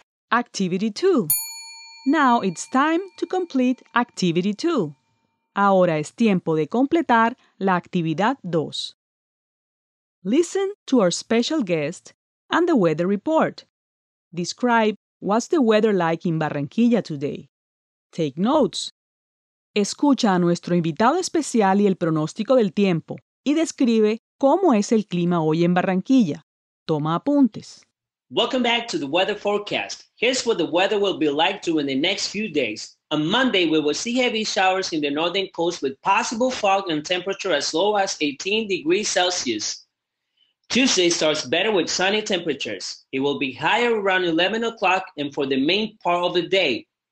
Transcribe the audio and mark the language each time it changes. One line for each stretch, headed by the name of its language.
English: Activity 2. Now it's time to complete Activity 2.
Spanish: Ahora es tiempo de completar la Actividad 2.
English: Listen to our special guest and the weather report. Describe what's the weather like in Barranquilla today. Take notes.
Spanish: Escucha a nuestro invitado especial y el pronóstico del tiempo y describe cómo es el clima hoy en Barranquilla. Toma apuntes.
English: Welcome back to the weather forecast. Here's what the weather will be like during the next few days. On Monday, we will see heavy showers in the northern coast with possible fog and temperature as low as 18 degrees Celsius. Tuesday starts better with sunny temperatures. It will be higher around 11 o'clock and for the main part of the day.